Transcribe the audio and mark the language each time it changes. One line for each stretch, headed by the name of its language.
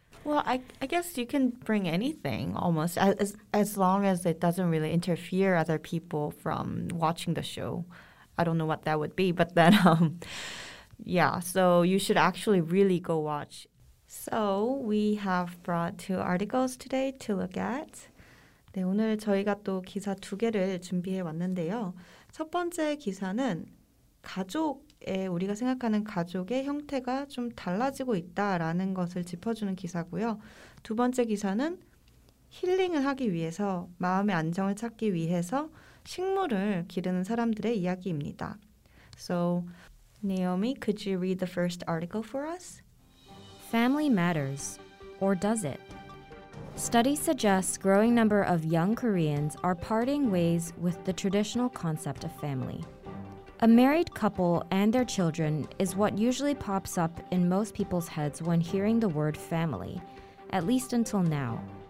English: Well, I guess you can bring anything almost as long as it doesn't really interfere other people from watching the show. I don't know what that would be, but then yeah, so you should actually really go watch. So we have brought two articles today to look at.
Korean: 네, 오늘 저희가 또 기사 두 개를 준비해 왔는데요. 첫 번째 기사는 가족의 우리가 생각하는 가족의 형태가 좀 달라지고 있다라는 것을 짚어주는 기사고요. 두 번째 기사는 힐링을 하기 위해서 마음의 안정을 찾기 위해서 식물을 기르는 사람들의 이야기입니다.
English: So, Naomi, could you read the first article for us? Family matters, or does it? Studies suggest growing number of young Koreans are parting ways with the traditional concept of family. A married couple and their children is what usually pops up in most people's heads when hearing the word family, at least until now.